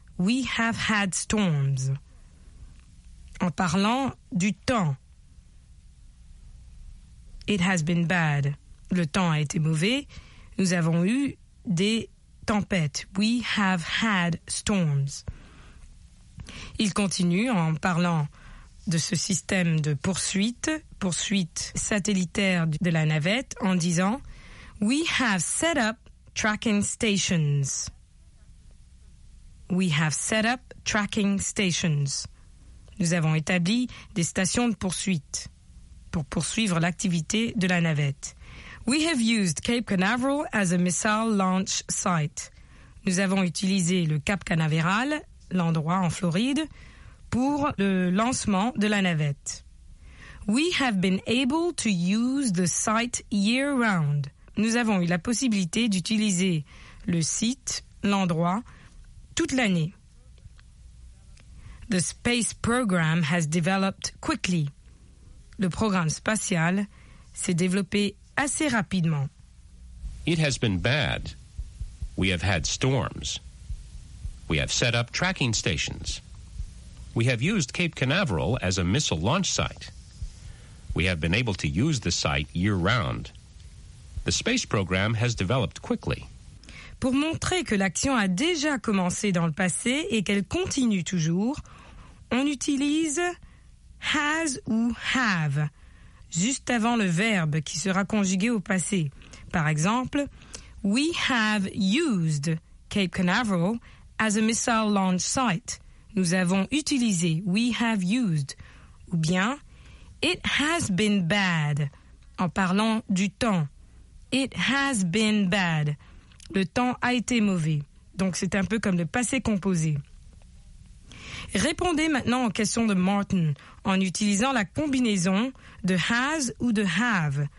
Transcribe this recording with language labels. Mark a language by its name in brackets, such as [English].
[English] We have had storms. » [French] En parlant du temps. « [English] It has been bad. [French] » Le temps a été mauvais. Nous avons eu des tempêtes. « [English] We have had storms. [French] » Il continue en parlant de ce système de poursuite satellitaire de la navette, en disant « [English] We have set up tracking stations. We have set up tracking stations. [French] Nous avons établi des stations de poursuite pour poursuivre l'activité de la navette. [English] We have used Cape Canaveral as a missile launch site. [French] Nous avons utilisé le Cap Canaveral, l'endroit en Floride, pour le lancement de la navette. [English] We have been able to use the site year round. [French] Nous avons eu la possibilité d'utiliser le site, l'endroit, toute l'année. [English] The space program has developed quickly. [French] Le programme spatial s'est développé assez rapidement. [English] It has been bad. We have had storms. We have set up tracking stations. We have used Cape Canaveral as a missile launch site. We have been able to use the site year-round. The space program has developed quickly. [French] pour montrer que l'action a déjà commencé dans le passé et qu'elle continue toujours, on utilise has ou have juste avant le verbe qui sera conjugué au passé. Par exemple, [English] we have used Cape Canaveral as a missile launch site. [French] Nous avons utilisé, [English] we have used. [French] Ou bien, [English] it has been bad, [French] en parlant du temps. [English] It has been bad. [French] Le temps a été mauvais. Donc, c'est un peu comme le passé composé. Répondez maintenant aux questions de Martin en utilisant la combinaison de has ou de have.